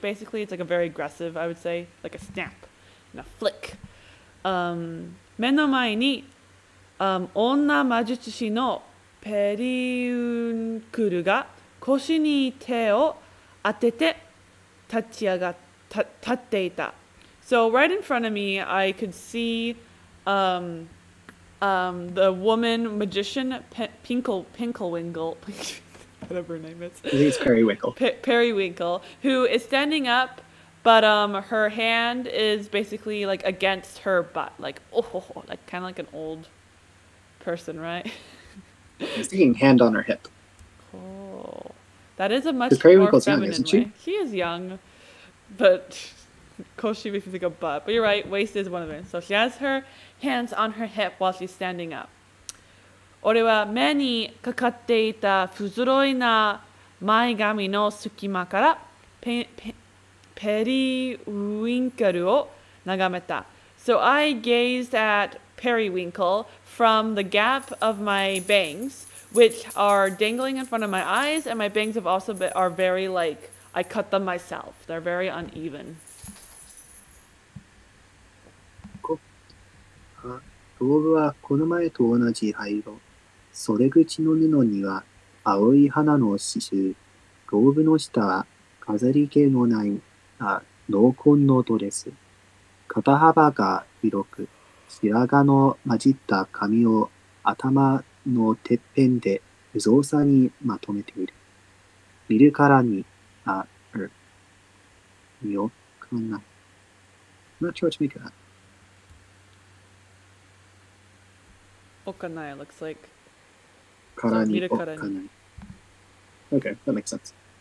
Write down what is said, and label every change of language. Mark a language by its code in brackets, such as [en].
[en] Basically, it's like a very aggressive, I would say, like a snap and a flick. [ja] 目の前に女魔術師のペリウンクルが腰に手を当てて立っていた。 [en] So right in front of me, I could see the woman magician Pinkelwinkle, whatever her name is. I think it's Periwinkle. Periwinkle, who is standing up, but her hand is basically like against her butt, like oh, like kind of like an old person, right? I'm seeing hand on her hip. Cool. That is a much more feminine young, isn't way. She? He is young. But Koshi makes me think of butt. But you're right, waist is one of them. So she has her hands on her hip while she's standing up. [ja] 俺は目にかかっていた不揃いな前髪の隙間からペリウインクルを眺めた。 [en] So I gazed at Periwinkle from the gap of my bangs, which are dangling in front of my eyes, and my bangs have also been, are very like, I cut them myself. They're very uneven. Cool. [ja] ローブはこの前と同じ灰色。袖口の布には青い花の刺繍。ローブの下は飾り気のない濃紺のドレス。肩幅が広く、白髪の混じった髪を頭のてっぺんで不造作にまとめている。見るからに [en] I'm not sure what to make of that. Okanai looks like. Karani okanai. Okay, that makes sense.